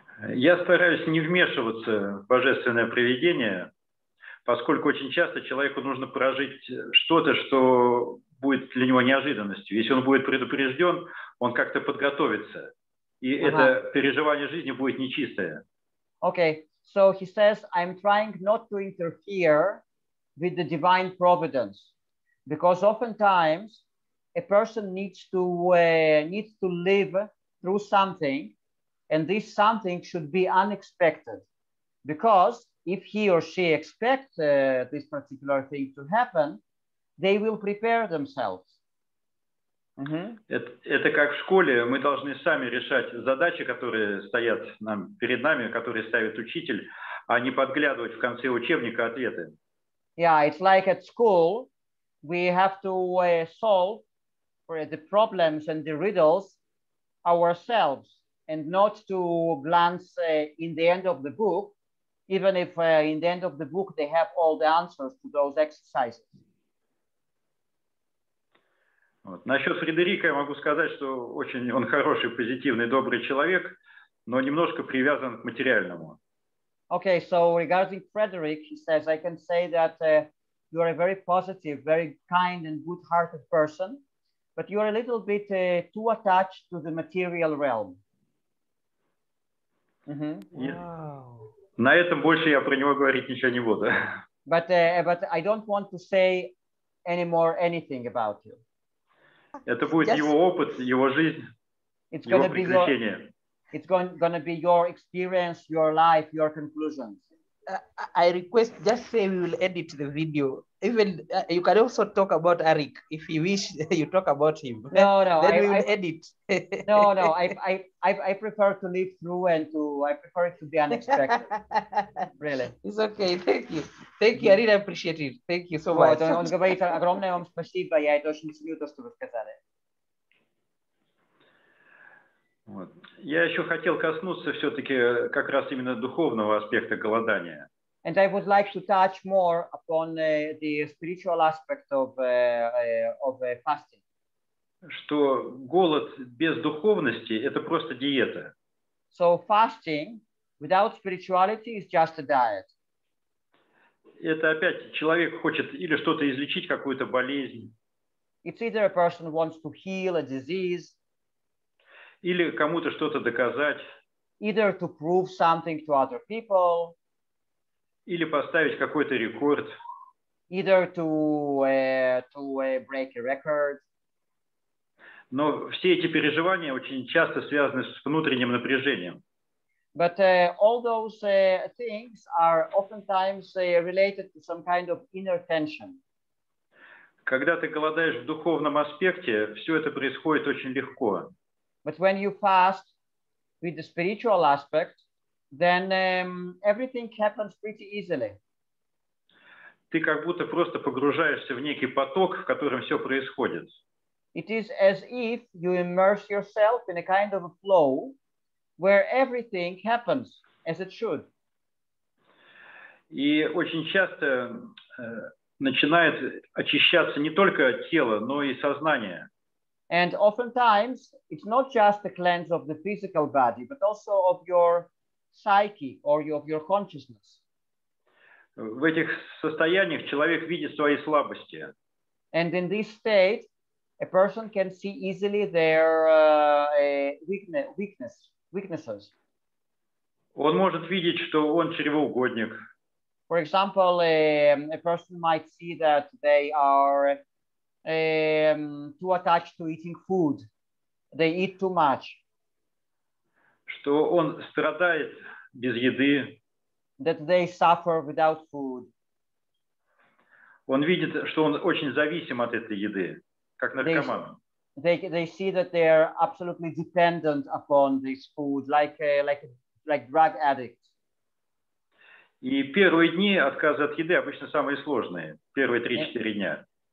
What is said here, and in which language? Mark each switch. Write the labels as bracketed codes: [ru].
[ru] Я стараюсь не вмешиваться в божественное провидение, поскольку очень часто человеку нужно прожить что-то, что будет для него неожиданностью. Если он будет предупрежден, он как-то подготовится, и это переживание жизни будет нечистое. [en] Okay, so he says, I'm trying not to interfere with the divine providence, because oftentimes a person needs to live through something, and this something should be unexpected, because if he or she expects this particular thing to happen, they will prepare themselves. Mm-hmm. [ru] Это как в школе, мы должны сами решать задачи, которые стоят нам перед нами, которые ставит учитель, а не подглядывать в конце учебника ответы. [en] Yeah, it's like at school, we have to solve the problems and the riddles ourselves, and not to glance in the end of the book, even if in the end of the book they have all the answers to those exercises. [ru] Вот. Насчет Фредерика я могу сказать, что очень он хороший, позитивный, добрый человек, но немножко привязан к материальному. [en] Okay, so regarding Frederick, he says, I can say that you are a very positive, very kind and good-hearted person, but you are a little bit too attached to the material realm. Mm-hmm. [ru] Wow. На этом больше я про него говорить ничего не буду. [en] But I don't want to say any more anything about you. [ru] Это будет yes. его опыт, его жизнь, [en] it's [ru] его приключения. [en] It's going to be your experience, your life, your conclusions. I request, just say we will edit the video. Even you can also talk about Eric if you wish. You talk about him. No. Then we will edit. No. I prefer to live through and to. I prefer it to be unexpected. Really. It's okay. Thank you. Thank you. I really appreciate it. Thank you so much. [ru] Он говорит огромное вам спасибо. Я это очень люблю то, что вы сказали. Вот. Я еще хотел коснуться все-таки как раз именно духовного аспекта голодания. [en] And I would like to touch more upon the spiritual aspect of fasting. [ru] Что голод без духовности – это просто диета. [en] So fasting without spirituality is just a diet. [ru] Это опять человек хочет или что-то излечить, какую-то болезнь. [en] It's either a person wants to heal a disease. [ru] Или кому-то что-то доказать. [en] Either to prove something to other people. [ru] Или поставить какой-то рекорд. [en] Either to break a record. [ru] Но все эти переживания очень часто связаны с внутренним напряжением. [en] But all those things are oftentimes related to some kind of inner tension. [ru] Когда ты голодаешь в духовном аспекте, все это происходит очень легко. [en] But when you fast with the spiritual aspect, then everything happens pretty easily. [ru] Ты как будто просто погружаешься в некий поток, в котором все происходит. [en] It is as if you immerse yourself in a kind of a flow where everything happens as it should. [ru] И очень часто начинает очищаться не только тело, но и сознание. [en] And oftentimes, it's not just the cleanse of the physical body, but also of your psyche or of your consciousness. [ru] В этих состояниях человек видит свои слабости. [en] And in this state, a person can see easily their weaknesses. [ru] Он может видеть, что он чревоугодник. [en] For example, a person might see that they are too attached to eating food. They eat too much. [ru] Что он страдает без еды. [en] That they suffer without food. [ru] Он видит, что он очень зависим от этой еды, как наркоман. [en] They see that they are absolutely dependent upon this food, like drug addict. [ru] И первые дни отказа от еды обычно самые сложные, первые 3-4 дня.